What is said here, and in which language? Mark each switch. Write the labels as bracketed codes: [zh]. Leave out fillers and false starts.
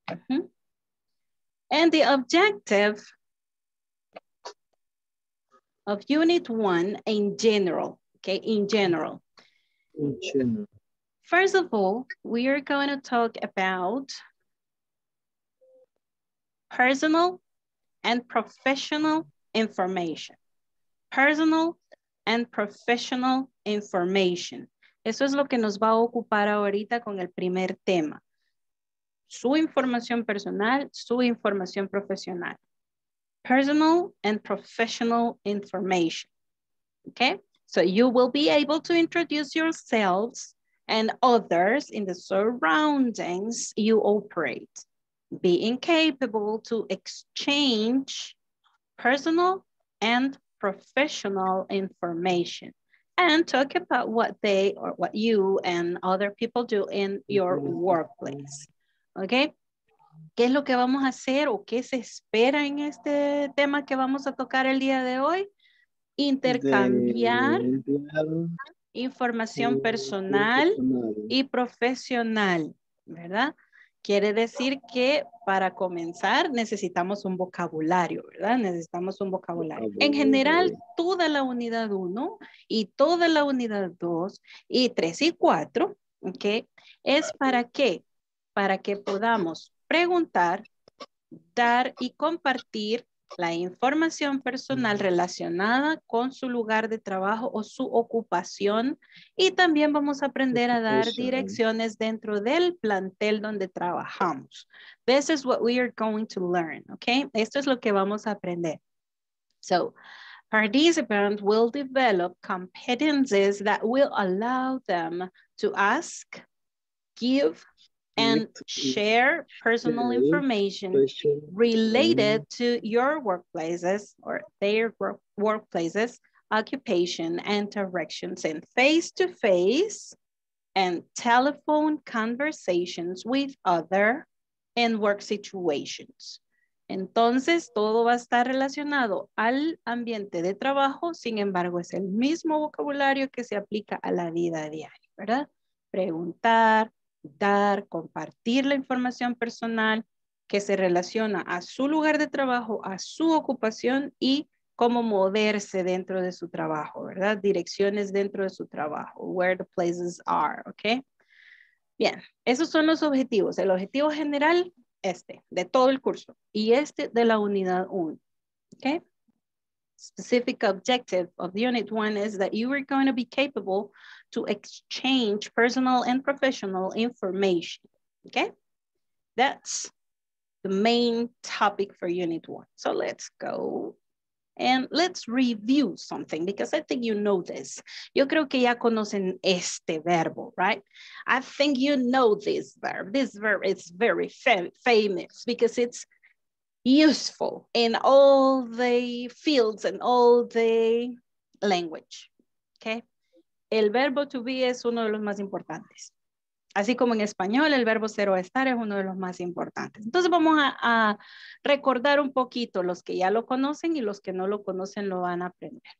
[en] One. And the objective of unit one in general, okay, in general. First of all, we are going to talk about personal and professional information. Personal and professional information. [es] Eso es lo que nos va a ocupar ahorita con el primer tema. Su información personal, su información profesional. [en] Personal and professional information. Okay? So you will be able to introduce yourselves and others in the surroundings you operate, being capable to exchange personal and professional information and talk about what they or what you and other people do in your workplace. Okay? [es] ¿Qué es lo que vamos a hacer o qué se espera en este tema que vamos a tocar el día de hoy? Intercambiar información personal y profesional, ¿verdad? Quiere decir que para comenzar necesitamos un vocabulario, ¿verdad? Necesitamos un vocabulario. En general, toda la unidad 1 y toda la unidad 2 y 3 y 4, ¿ok? Es para qué? Para que podamos preguntar, dar y compartir la información personal relacionada con su lugar de trabajo o su ocupación. Y también vamos a aprender a dar direcciones dentro del plantel donde trabajamos. [en] This is what we are going to learn, okay? [es] Esto es lo que vamos a aprender. [en] So, participants will develop competencies that will allow them to ask, give, and share personal information related to your workplaces or their workplaces, occupation, interactions in face-to-face and telephone conversations with other in work situations. [es] Entonces, todo va a estar relacionado al ambiente de trabajo, sin embargo, es el mismo vocabulario que se aplica a la vida diaria, ¿verdad? Preguntar, dar, compartir la información personal que se relaciona a su lugar de trabajo, a su ocupación y cómo moverse dentro de su trabajo, ¿verdad? Direcciones dentro de su trabajo, [en] where the places are, [es] ¿ok? Bien, esos son los objetivos. El objetivo general, este, de todo el curso. Y este de la unidad 1, ¿ok? [en] Specific objective of unit 1 is that you are going to be capable to exchange personal and professional information. Okay? That's the main topic for unit 1. So let's go and let's review something because I think you know this. [es] Yo creo que ya conocen este verbo, [en] right? I think you know this verb. This verb is very famous because it's useful in all the fields and all the language. Okay? [es] El verbo to be es uno de los más importantes. Así como en español, el verbo ser o estar es uno de los más importantes. Entonces vamos a recordar un poquito los que ya lo conocen y los que no lo conocen lo van a aprender.